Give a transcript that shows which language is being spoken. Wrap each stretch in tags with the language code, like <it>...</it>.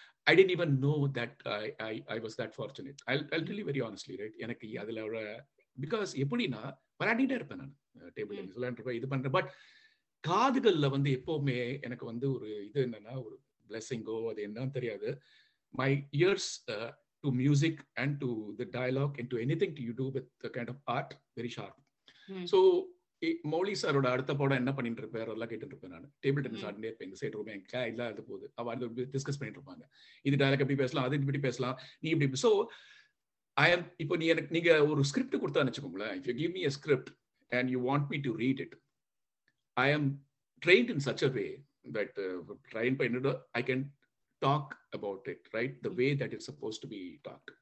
<en>I did even know that I was that fortunate. I really very honestly, right.</en> <ta>எனக்கு அதில் ஒரு, because எப்படின்னா விளையாடிட்டே இருப்பேன் நான், டேபிள் டென்னிஸ் விளையாண்டுருப்பேன், இது பண்ணுறேன். பட் காதுகளில் வந்து எப்போவுமே எனக்கு வந்து ஒரு இது என்னன்னா, ஒரு பிளெஸ்ஸிங்கோ அது என்னன்னு தெரியாது. My years</ta> <en>to music and to the dialogue and to anything to you do with the kind of art, very sharp.</en> <ta>So Mouli சாரோட அடுத்த படம் என்ன பண்ணிட்டு இருப்பாரு எல்லாம் கேட்டுட்டு இருப்பேன் நான். டேபிள் டென்னிஸ் ஆடினே இருப்பேன் இந்த சைட் ரூம் எங்க இல்லாத போகுது. அவர் டிஸ்கஸ் பண்ணிட்டு இருப்பாங்க, இது டைலாக் எப்படி பேசலாம், அது இப்படி பேசலாம், நீ இப்படி.</ta> <en>so I am,</en> <ta>இப்போ நீ எனக்கு நீங்க ஒரு ஸ்கிரிப்ட் கொடுத்தா வச்சுக்கோங்களேன்,</ta> <en>if you give me a script and you want me to read it, I am trained in such a way that</en> <ta>train பண்ணிட்டு</ta> <en>I can talk about it, right, the way that it's suppose to be talk.</en>